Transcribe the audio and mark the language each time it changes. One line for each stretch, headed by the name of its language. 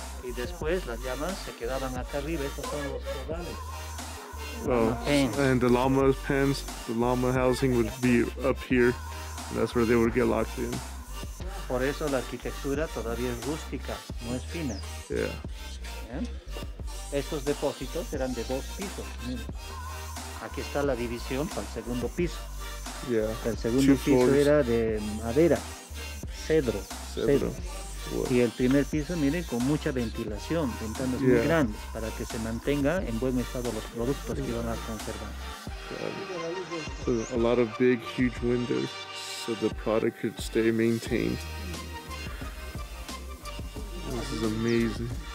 Spanish: Y después las llamas se quedaban acá arriba, estos son los corrales.
English: Oh, and the llama's pens, the llama housing would be up here. That's where they would get locked in.
Spanish: por eso la arquitectura todavía es rústica, no es fina.
English: Yeah.
Spanish: Estos depósitos eran de dos pisos. Aquí está la división para el segundo piso.
English: Yeah.
Spanish: El segundo piso era de madera, cedro.
English: Cedro. Wow.
Spanish: Y el primer piso, miren, con mucha ventilación, ventanas muy grandes, para que se mantenga en buen estado los productos que iban a conservar.
English: So a lot of big, huge windows, so the product could stay maintained. This is amazing.